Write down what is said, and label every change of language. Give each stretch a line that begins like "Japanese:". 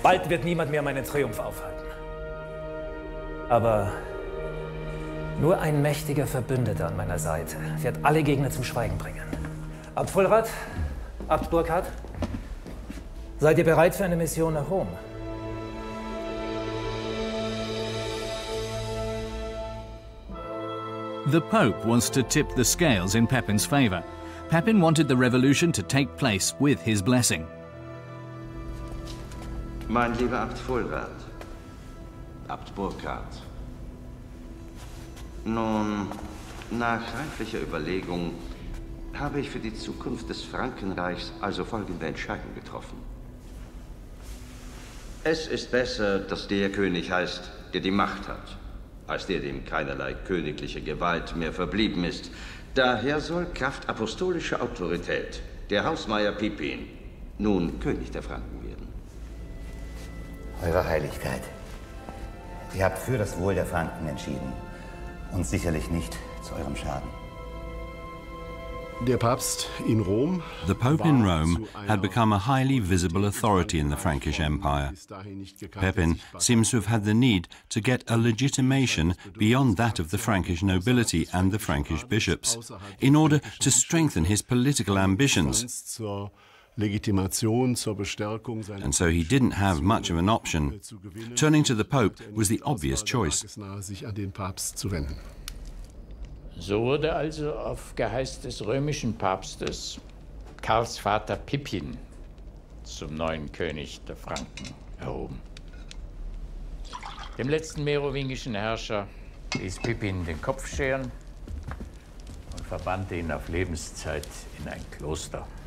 German: Bald wird niemand mehr meinen Triumph aufhalten. Aber nur ein mächtiger Verbündeter an meiner Seite wird alle Gegner zum Schweigen bringen. Abt Fulrad, Abt Burkhard, seid ihr bereit für eine Mission nach Rom?
English: The Pope wants to tip the scales in Pepin's favor. Pepin wanted the revolution to take place with his blessing.
German: Mein lieber Abt Fulrad, Abt Burkhard, nun, nach reiflicher Überlegung habe ich für die Zukunft des Frankenreichs also folgende Entscheidung getroffen. Es ist besser, dass der König heißt, der die Macht hat, als der, dem keinerlei königliche Gewalt mehr verblieben ist. Daher soll Kraft apostolischer Autorität der Hausmeier Pippin nun König der Franken werden. Eure Heiligkeit, ihr habt für das Wohl der Franken entschieden und sicherlich nicht zu eurem Schaden.
English: The Pope in Rome had become a highly visible authority in the Frankish Empire. Pepin seems to have had the need to get a legitimation beyond that of the Frankish nobility and the Frankish bishops, in order to strengthen his political ambitions. And so he didn't have much of an option. Turning to the Pope was the obvious choice.
German: So wurde also auf Geheiß des römischen Papstes Karls Vater Pippin zum neuen König der Franken erhoben. Dem letzten merowingischen Herrscher ließ Pippin den Kopf scheren und verbannte ihn auf Lebenszeit in ein Kloster.